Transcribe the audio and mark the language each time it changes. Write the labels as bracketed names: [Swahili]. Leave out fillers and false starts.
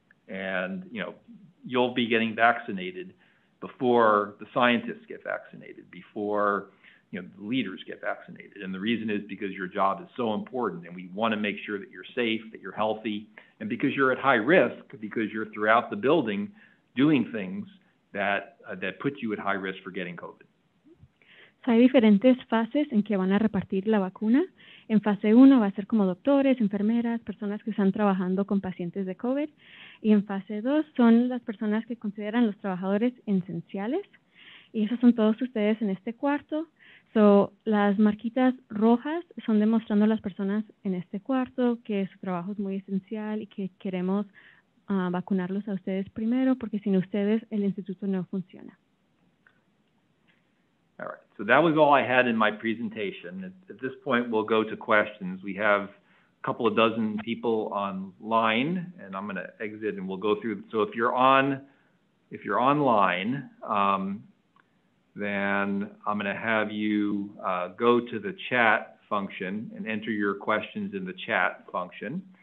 [English] And, you know, you'll be getting vaccinated before the scientists get vaccinated, before, you know, the leaders get vaccinated. And the reason is because your job is so important and we want to make sure that you're safe, that you're healthy, and because you're at high risk, because you're throughout the building doing things that put you at high risk for getting COVID. [Spanish] So hay diferentes fases en que van a repartir la vacuna. En fase 1 va a ser como doctores, enfermeras, personas que están trabajando con pacientes de COVID. Y en fase 2 son las personas que consideran los trabajadores esenciales. Y esos son todos ustedes en este cuarto. So, las marquitas rojas son demostrando a las personas en este cuarto que su trabajo es muy esencial y que queremos vacunarlos a ustedes primero porque sin ustedes el instituto no funciona. [English] All right. So that was all I had in my presentation. At this point, we'll go to questions. We have a couple of dozen people online, and I'm going to exit and we'll go through. So if you're online, then I'm going to have you go to the chat function and enter your questions in the chat function.